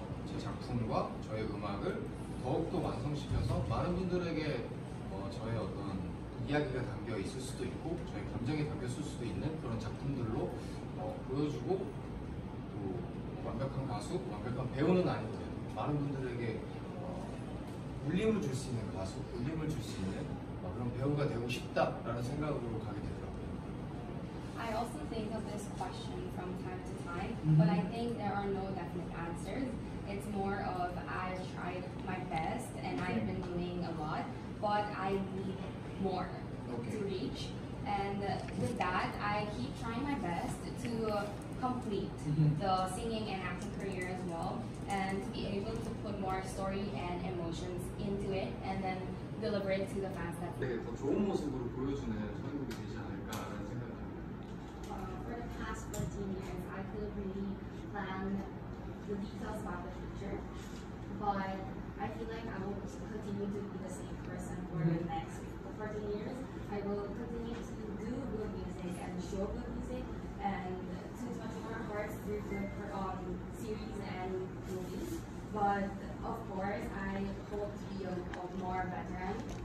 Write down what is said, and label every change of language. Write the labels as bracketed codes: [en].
[ko] 제 작품과 저의 음악을 더욱더 완성시켜서 많은 분들에게 저의 어떤 이야기가 담겨 있을 수도 있고 저의 감정이 담겨 있을 수도 있는 그런 작품들로 보여주고 또 완벽한 가수, 완벽한 배우는 아닌데 많은 분들에게 울림을 줄 수 있는 가수, 울림을 줄 수 있는 그런 배우가 되고 싶다라는 생각으로 가게 되더라고요. [en] I also think of this question from time to time, but I think there are no definite answers. It's more of I've tried my best and I've been doing a lot. But I need more to reach, and with that, I keep trying my best to complete the singing and acting career as well, and to be able to put more story and emotions into it, and then deliver it to the fans. [ko] 네, 더 좋은 모습으로 보여주는 선곡이 되지 않을까 라는 생각입니다. [en] For the past 14 years, I could really plan the details about the future, but I feel like I will continue to be the same person for the next 14 years. I will continue to do good music and show good music and to touch our hearts through the series and movies. But of course, I hope to be a more veteran